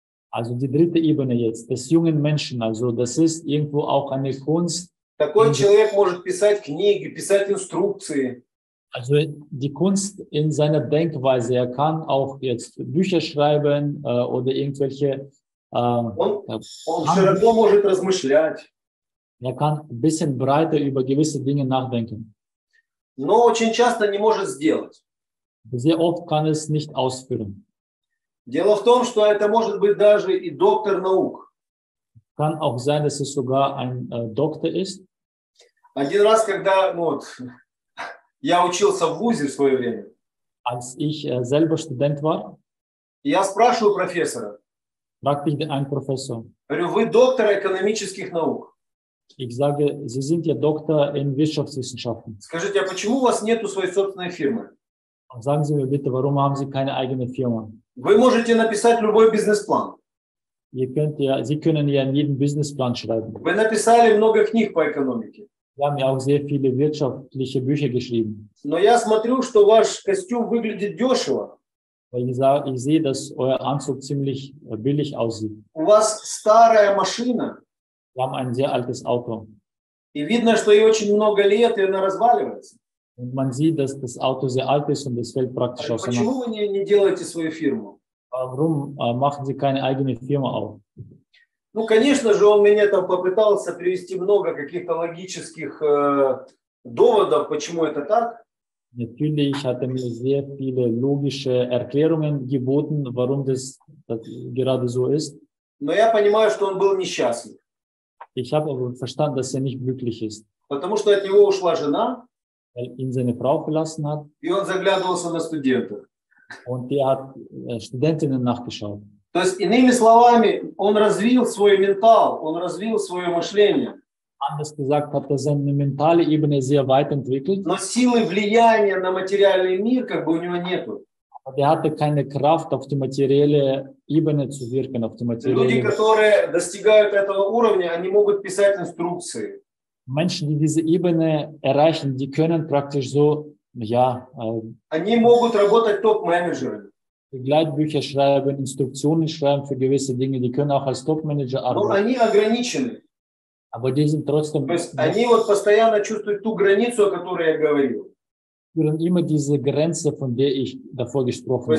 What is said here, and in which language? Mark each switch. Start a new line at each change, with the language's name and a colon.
German: Also die dritte Ebene jetzt, des jungen Menschen, also das ist irgendwo auch eine Kunst.
Russian: Такой человек может писать книги, писать инструкции.
German: Also die Kunst in seiner Denkweise, er kann auch jetzt Bücher schreiben oder irgendwelche...
Russian: Он широко может размышлять.
German: Er kann ein bisschen breiter über gewisse Dinge nachdenken.
Russian: Но очень часто не может сделать.
German: Sehr oft kann es nicht ausführen.
Russian: Дело в том, что это может быть даже и доктор наук.
German: Kann auch sein, dass es sogar ein Doktor ist.
Russian: Один раз, когда... Ну, вот, я учился в ВУЗе в свое время.
German: Als ich selber Student war.
Russian: Я спрашиваю профессора.
German: Fragte ich einen Professor.
Russian: Говорю, вы доктор экономических наук.
German: Ich sage, Sie sind ja Doktor in Wirtschaftswissenschaften.
Russian: Скажите, а почему у вас нету своей собственной фирмы?
German: Sagen Sie mir bitte, warum haben Sie keine eigene Firma?
Russian: Вы можете написать любой бизнес-план.
German: Ihr könnt ja, Sie können ja jeden Бизнес-план schreiben.
Russian: Вы написали много книг по экономике.
German: Wir haben ja auch sehr viele wirtschaftliche Bücher geschrieben.
Russian: Но я смотрю, что ваш костюм выглядит дешево.
German: Ich sehe, dass euer Anzug ziemlich billig aussieht.
Russian: У вас старая машина.
German: Wir haben ein sehr altes Auto.
Russian: И видно, что ей очень много лет, и она разваливается.
German: Und man sieht, dass das Auto sehr alt ist und es fällt praktisch aus.
Russian: Почему вы не делаете свою фирму?
German: Warum machen Sie keine eigene Firma auf?
Russian: Ну, конечно же, он меня там попытался привести много каких-то логических доводов, почему это так.
German: Natürlich hat er mir sehr viele logische Erklärungen geboten, warum das, das gerade so ist.
Russian: Но я понимаю, что он был несчастлив.
German: Ich habe aber verstanden, dass er nicht glücklich ist.
Russian: Потому что от него ушла жена.
German: Weil ihn seine Frau verlassen hat.
Russian: И он заглядывался на студентов.
German: Und er hat Studentinnen nachgeschaut.
Russian: То есть, иными словами, он развил свой ментал, он развил свое мышление.
German: Anders gesagt, hat er seine mentale Ebene sehr weit entwickelt.
Russian: Но силы влияния на материальный мир как бы у него нету.
German: Aber er hatte keine Kraft, auf die materielle Ebene zu wirken. Auf die materielle
Russian: Люди,
German: Ebene.
Russian: Которые достигают этого уровня, они могут писать инструкции.
German: Menschen, die diese Ebene erreichen, die können praktisch so, ja...
Russian: Они могут работать топ-менеджерами.
German: Begleitbücher schreiben, Instruktionen schreiben für gewisse Dinge, die können auch als Top-Manager arbeiten.
Russian: Но они ограничены.
German: Aber die sind trotzdem...
Russian: То есть, они вот постоянно чувствуют ту границу, о которой я говорил.
German: Führen immer diese Grenze, von der ich davor gesprochen habe.